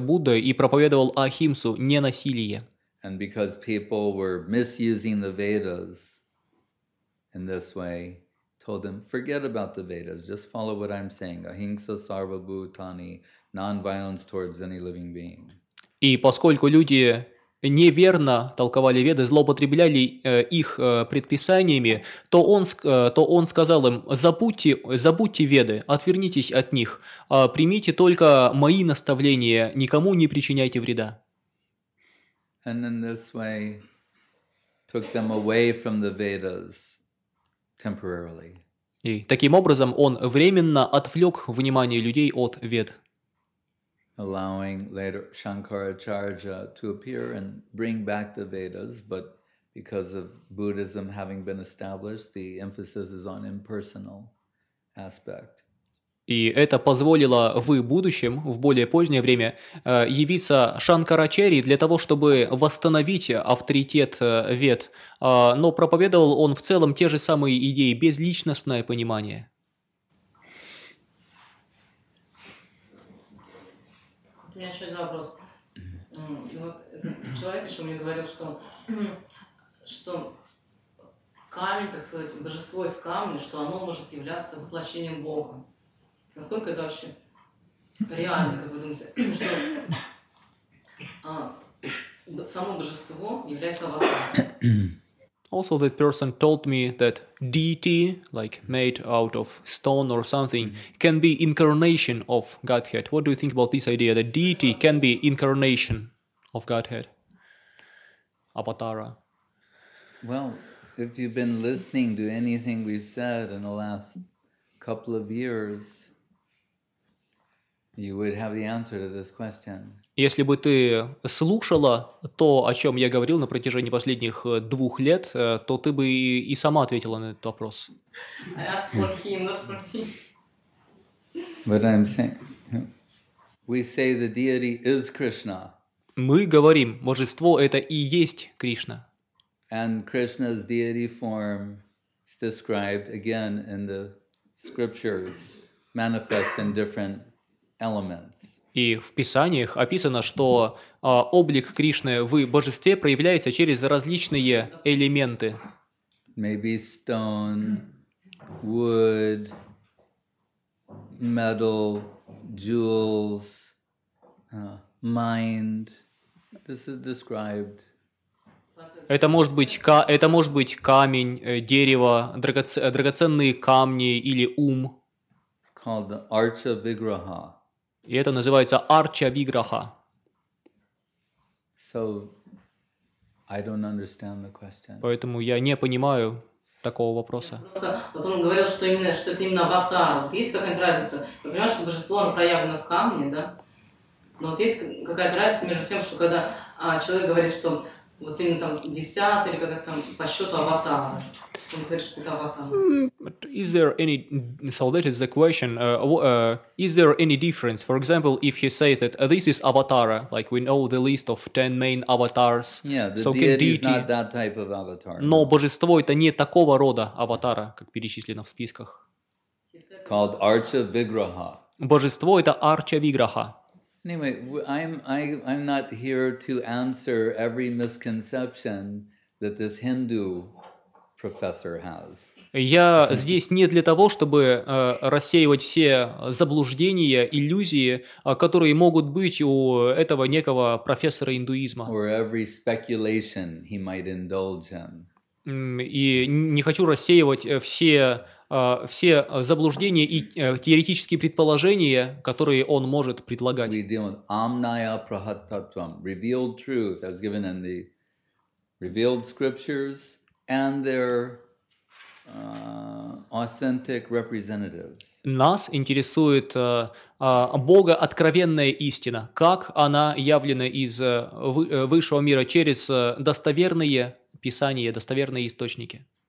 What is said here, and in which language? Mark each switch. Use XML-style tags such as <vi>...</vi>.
<ru>Будда и проповедовал ахимсу, ненасилие.</ru> <en>And because people were misusing the Vedas, in this way, told them, forget about the Vedas, just follow what I'm saying.</en> <sa>Ahimsa sarva bhutani,</sa> <en>non-violence towards any living being.</en> <ru>И поскольку люди неверно толковали Веды, злоупотребляли их предписаниями, то он сказал им, забудьте Веды, отвернитесь от них, примите только мои наставления, никому не причиняйте вреда.</ru> <en>And in this way, took them away from the Vedas. Temporarily.</en> <ru>И таким образом он временно отвлек внимание людей от Вед.</ru> <en>Allowing later Shankaracharya to appear and bring back the Vedas, but because of Buddhism having been established, the emphasis is on impersonal aspect.</en> <ru>И это позволило в будущем, в более позднее время, явиться Шанкарачари для того, чтобы восстановить авторитет Вед. Но проповедовал он в целом те же самые идеи, безличностное понимание. У меня еще один вопрос. Вот человек еще мне говорил, что камень, так сказать, божество из камня, что оно может являться воплощением Бога. Насколько это вообще реально, как вы думаете, что само божество является аватаром?</ru> <en>Also, that person told me that deity, like made out of stone or something, can be incarnation of Godhead. What do you think about this idea, that deity can be incarnation of Godhead?</en> <sa>Avatara.</sa> <en>Well, if you've been listening to anything we've said in the last couple of years, you would have the answer to this question.</en> <ru>Если бы ты слушала то, о чем я говорил на протяжении последних 2 лет, то ты бы и сама ответила на этот вопрос.</ru> <en>I asked for him, not for me. But I'm saying, we say the deity is Krishna.</en> <ru>Мы говорим, божество это и есть Кришна.</ru> <en>And Krishna's deity form is described again in the scriptures, manifest in different elements.</en> <ru>И в писаниях описано, что облик Кришны в божестве проявляется через различные элементы.</ru> <en>Maybe stone, wood, metal, jewels, mind. This is described.</en> <ru>Это может быть камень, дерево, драгоценные камни или ум.</ru> <en>It's called the Archa Vigraha.</en> <ru>И это называется Арча Виграха.</ru> <en>So, I don't understand the question.</en> <ru>Поэтому я не понимаю такого вопроса. Просто, вот он говорил, что это именно аватар. Вот есть какая-то разница? Я понимаю, что божество оно проявлено в камне, да? Но вот есть какая-то разница между тем, что когда человек говорит, что вот именно там 10 или когда там по счету аватар.</ru> <en>Is there any, so that is the question, is there any difference, for example, if he says that this is avatara, like we know the list of 10 main avatars. Yeah, the deity is not that type of avatar.</en> <ru>Но божество это не такого рода аватара, как перечислено в списках.</ru> <en>Called Archa Vigraha.</en> <ru>Божество это Archa Vigraha.</ru> <en>Anyway, I'm not here to answer every misconception that this Hindu professor has.</en> <ru>Я здесь не для того, чтобы рассеивать все заблуждения, иллюзии, которые могут быть у этого некого профессора индуизма.</ru> <en>Or every speculation he might indulge in.</en> <ru>И не хочу рассеивать все заблуждения и теоретические предположения, которые он может предлагать.</ru> <en>We deal with Amnaya Prahatattvam, revealed truth as given in the revealed scriptures and their authentic representatives.</en> <ru>Нас интересует Бога откровенная истина, как она явлена из высшего мира через достоверные писания, достоверные источники.</ru>